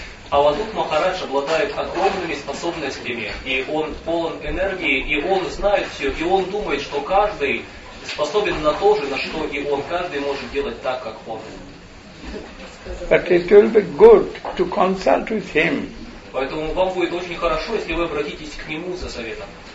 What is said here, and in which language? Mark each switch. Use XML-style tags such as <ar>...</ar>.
<ru>Avadhut Maharaj обладает огромными способностями, и он полон энергии, и он знает все, и он думает, что каждый способен на то же, на что и он, каждый может делать так, как он.</ru> <en>But it will be good to consult with him.</en> <ru>Поэтому вам будет очень хорошо, если вы обратитесь к нему за советом.</ru>